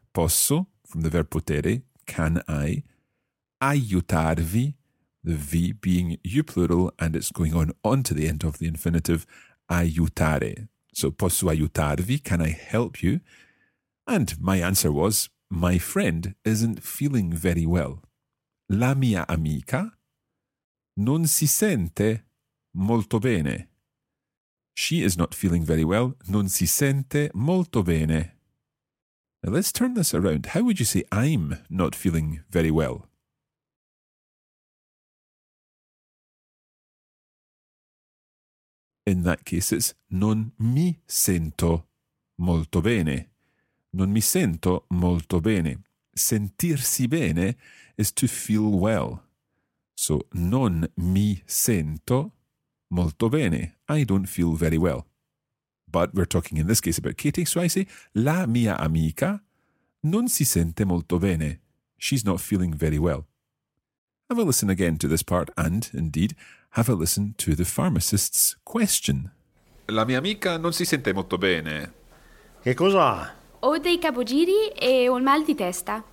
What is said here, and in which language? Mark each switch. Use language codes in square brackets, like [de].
[en] Posso, from the verb potere, can I, aiutarvi, the V being you plural and it's going on to the end of the infinitive, aiutare. So [it] posso aiutarvi, [en] can I help you? And my answer was, my friend isn't feeling very well. [it] La mia amica non si sente molto bene. [en] She is not feeling very well, [it] non si sente molto bene. [en] Now let's turn this around. How would you say I'm not feeling very well? In that case, it's [it] non mi sento molto bene. Non mi sento molto bene. Sentirsi bene [en] is to feel well. [it] So, non mi sento molto bene. [en] I don't feel very well. But we're talking in this case about Katie, so I say, [it] la mia amica non si sente molto bene. [en] She's not feeling very well. Have a listen again to this part and, indeed, have a listen to the pharmacist's question. [it] La mia amica non si sente molto bene. Che cosa? Ho dei capogiri e ho un mal di testa.